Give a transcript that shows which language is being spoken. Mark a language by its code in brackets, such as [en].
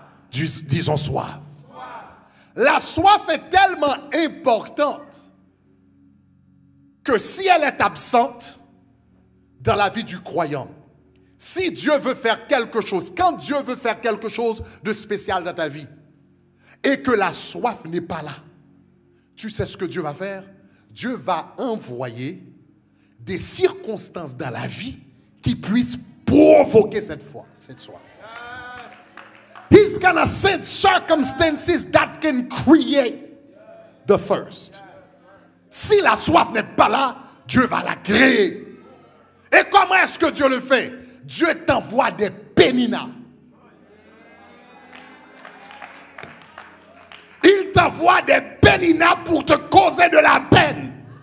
[fr] Disons soif. La soif est tellement importante que si elle est absente dans la vie du croyant, si Dieu veut faire quelque chose, quand Dieu veut faire quelque chose de spécial dans ta vie et que la soif n'est pas là, tu sais ce que Dieu va faire? Dieu va envoyer des circonstances dans la vie qui puisse provoquer cette foi, cette soif. [en] He's gonna set circumstances that can create the thirst. [fr] Si la soif n'est pas là, Dieu va la créer. Et comment est-ce que Dieu le fait? Dieu t'envoie des péninas. Il t'envoie des péninas pour te causer de la peine.